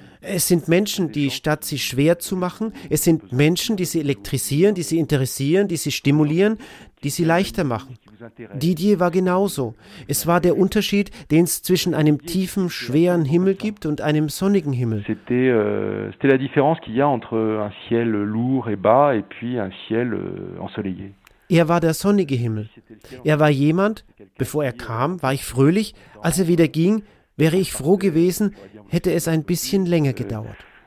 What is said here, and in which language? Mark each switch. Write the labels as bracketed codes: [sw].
[de] Es sind Menschen, die statt sie schwer zu machen, es sind Menschen, die sie elektrisieren, die sie interessieren, die sie stimulieren, die sie leichter machen. Didier war genauso. Es war der Unterschied, den es zwischen einem tiefen, schweren Himmel gibt und einem sonnigen Himmel. [fr] C'était la différence qu'il y a entre un ciel lourd et bas et puis un ciel ensoleillé. [de] Er war der sonnige Himmel. Er war jemand, bevor er kam, war ich fröhlich, als er wieder ging, wäre ich froh gewesen, hätte es ein bisschen länger gedauert.